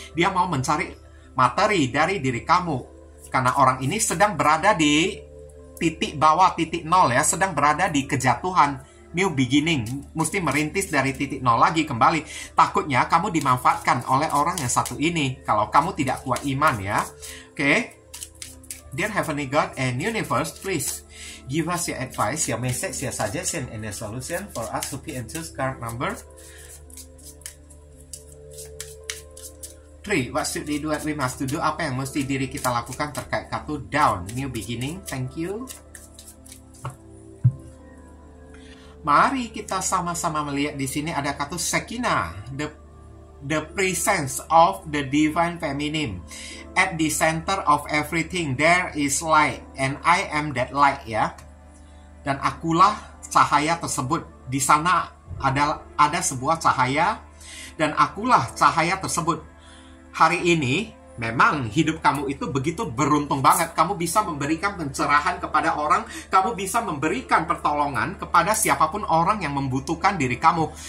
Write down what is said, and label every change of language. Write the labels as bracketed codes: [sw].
[id] Dia mau mencari materi dari diri kamu. Karena orang ini sedang berada di titik bawah, titik nol ya. Sedang berada di kejatuhan, new beginning. Mesti merintis dari titik nol lagi kembali. Takutnya kamu dimanfaatkan oleh orang yang satu ini. Kalau kamu tidak kuat iman ya. Oke. [en] Dear Heavenly God and Universe, please give us your advice, your message, your suggestion, and your solution for us to pick and choose card number 3. [id] What should we do? What we must to do? Apa yang mesti diri kita lakukan terkait kartu down, new beginning? Thank you. Mari kita sama-sama melihat di sini ada kartu Shekinah, the presence of the divine feminine. [en] At the center of everything, there is light, and I am that light, ya. [id] Dan akulah cahaya tersebut. Di sana ada sebuah cahaya, dan akulah cahaya tersebut. Hari ini, memang hidup kamu itu begitu beruntung banget. Kamu bisa memberikan pencerahan kepada orang, kamu bisa memberikan pertolongan kepada siapapun orang yang membutuhkan diri kamu.